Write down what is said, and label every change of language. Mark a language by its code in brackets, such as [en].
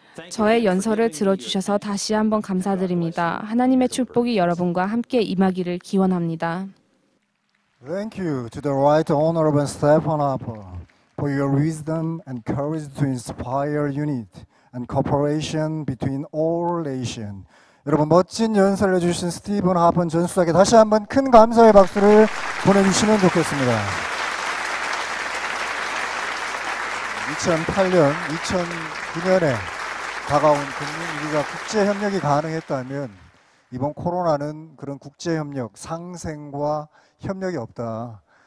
[ko] 저의 연설을 들어주셔서 다시 한번 감사드립니다. 하나님의 축복이 여러분과 함께 임하기를 기원합니다. [en] Thank you to the Right Honorable Stephen Harper for your wisdom and courage to inspire unity and cooperation between all nations. [ko] 여러분 멋진 연설을 해주신 스티븐 하펀 전수석에 다시 한번 큰 감사의 박수를 보내주시면 좋겠습니다. 2008년, 2009년에 다가온 금융위기가 국제협력이 가능했다면 이번 코로나는 그런 국제협력, 상생과 협력이 없다.